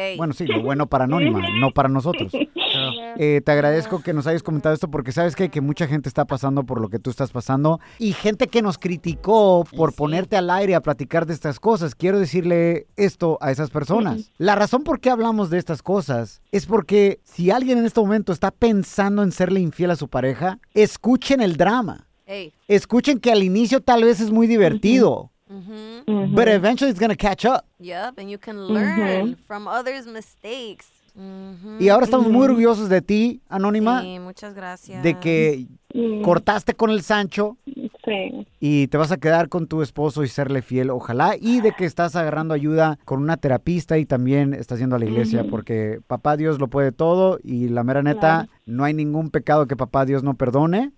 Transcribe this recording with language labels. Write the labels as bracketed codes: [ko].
[es] Bueno, sí, lo bueno para Anónima, no para nosotros. Te agradezco que nos hayas comentado esto porque sabes que mucha gente está pasando por lo que tú estás pasando y gente que nos criticó por ponerte al aire a platicar de estas cosas. Quiero decirle esto a esas personas. La razón por qué hablamos de estas cosas es porque si alguien en este momento está pensando en serle infiel a su pareja, escuchen el drama. Escuchen que al inicio tal vez es muy divertido. [en] But eventually it's gonna catch up. Yep, and you can learn from others' mistakes. [es] Y ahora estamos muy orgullosos de ti, Anónima. Sí, muchas gracias. De que cortaste con el Sancho. Y te vas a quedar con tu esposo y serle fiel, ojalá. Y de que estás agarrando ayuda con una terapista y también estás yendo a la iglesia. Porque papá Dios lo puede todo y la mera neta, no hay ningún pecado que papá Dios no perdone.